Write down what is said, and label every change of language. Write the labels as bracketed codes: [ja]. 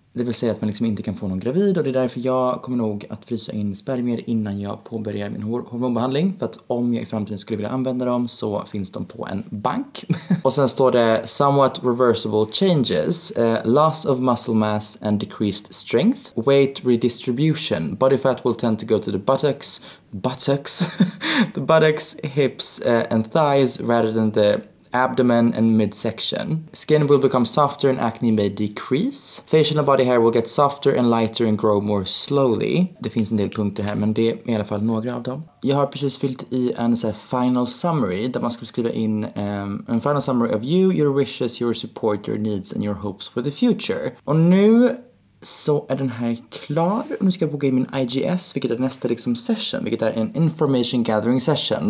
[sv] Det vill säga att man liksom inte kan få någon gravid, och det är därför jag kommer nog att frysa in spermier innan jag påbörjar min hormonbehandling. För att om jag i framtiden skulle vilja använda dem så finns de på en bank. Och sen står det [en] somewhat reversible changes, loss of muscle mass and decreased strength, weight redistribution, body fat will tend to go to the buttocks, the buttocks, hips and thighs rather than the abdomen and midsection. Skin will become softer and acne may decrease. Facial and body hair will get softer and lighter and grow more slowly. [sv] Det finns en del punkter här, men det är i alla fall några av dem. Jag har precis fyllt i en så här [en] final summary [sv] där man ska skriva in en [en] final summary of you, your wishes, your support, your needs and your hopes for the future. [sv] Och nu så är den här klar. Nu ska jag boka in min IGS, vilket är nästa liksom session, vilket är en [en] information gathering session.